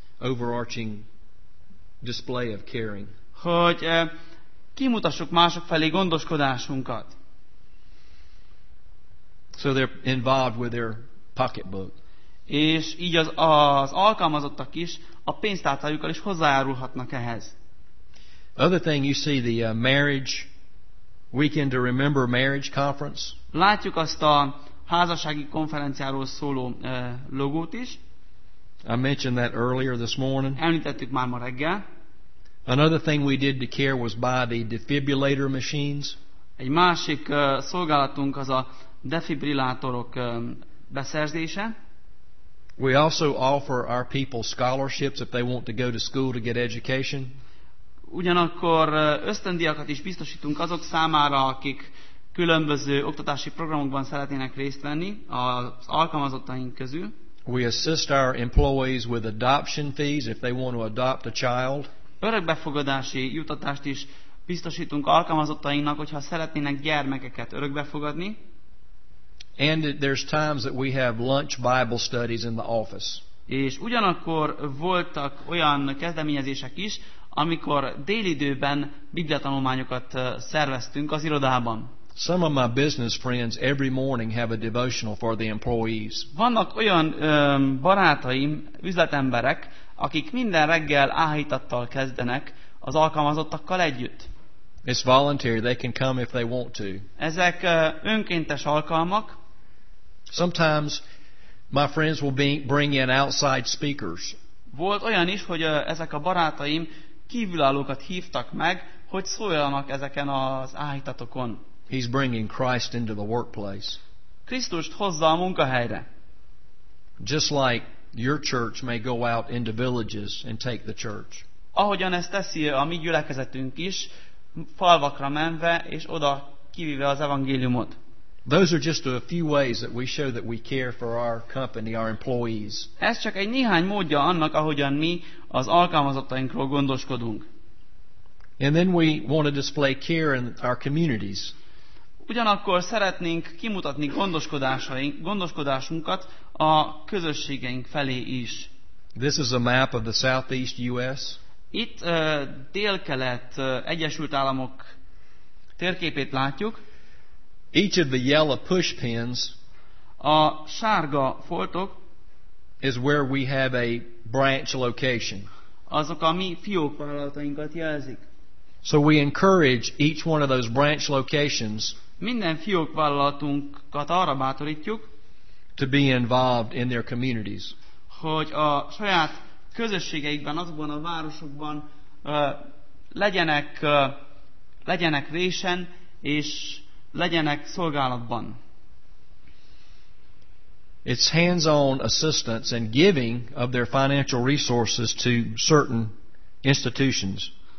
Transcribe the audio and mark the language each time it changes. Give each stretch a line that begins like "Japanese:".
English: overarching display of caring.
Hungarian: Hogy kimutassuk mások felé gondoskodásunkat.
English: So they're involved with their pocketbook.
Hungarian: És így az alkalmazottak is a pénztárcájukkal is hozzájárulhatnak ehhez.
English: Other thing you see, the marriage weekend to remember marriage conference.
Hungarian: Látjuk azt a házassági konferenciáról szóló logót is.
English: I mentioned that earlier this morning.
Hungarian: Említettük már ma reggel.
English: Another thing we did to care was buy the defibrillator machines.
Hungarian: Egy másik szolgálatunk az a defibrillátorok beszerzése.
English: We also offer our people scholarships if they want to go to school to get education.
Hungarian: Ugyanakkor ösztöndíjakat is biztosítunk azok számára, akik különböző oktatási programokban szeretnének részt venni az alkalmazottaink közül.
English: We assist our employees with adoption fees if they want to adopt a child.
Hungarian: Örökbefogadási jutatást is biztosítunk alkalmazottainknak, hogyha szeretnének gyermekeket örökbefogadni.
English: And there's times that we have lunch Bible studies in the office.
Hungarian: És ugyanakkor voltak olyan kezdeményezések is, amikor déli időben bibliatanulmányokat szerveztünk az irodában.
English: Some of my business friends every morning have a devotional for the employees.
Hungarian: Vannak olyan barátaim, üzletemberek, akik minden reggel áhítattal kezdenek az alkalmazottakkal együtt.
English: It's voluntary, they can come if they want to.
Hungarian: Ezek önkéntes alkalmak.
English: Sometimes my friends will bring in outside speakers.
Hungarian: Volt olyan is, hogy ezek a barátaim kívülállókat hívtak meg, hogy szóljanak ezeken az áhítatokon.
English: He's bringing Christ into the workplace.
Hungarian: Krisztust hozza a munkahelyre.
English: Just like your church may go out into villages and take the church.
Hungarian: Ahogyan ezt teszi a mi gyülekezetünk is, falvakra menve és oda kivéve az evangéliumot.
English: Those are just a few ways that we show that we care for our company, our employees.
Hungarian: Ez csak egy néhány módja annak, ahogyan mi az alkalmazottainkról gondoskodunk.
English: And then we want to display care in our communities.
Hungarian: Ugyanakkor szeretnénk kimutatni gondoskodásunkat a közösségeink felé is.
English: This is a map of the Southeast US.
Hungarian: Itt délkelet Egyesült Államok térképét látjuk.
English: Each of the yellow push pins,
Hungarian: a sárga foltok,
English: is where we have a branch location.
Hungarian: Azok a mi fiókvállalatainkat jelzik.
English: So we encourage each one of those branch locations.
Hungarian: Minden fiókvállalatunkat arra bátorítjuk,
English: to be involved in their communities.
Hungarian: Hogy a saját közösségeikben, azokban a városokban legyenek résen és legyenek szolgálatban.
English: It's hands-on assistance and giving of their financial resources to certain institutions.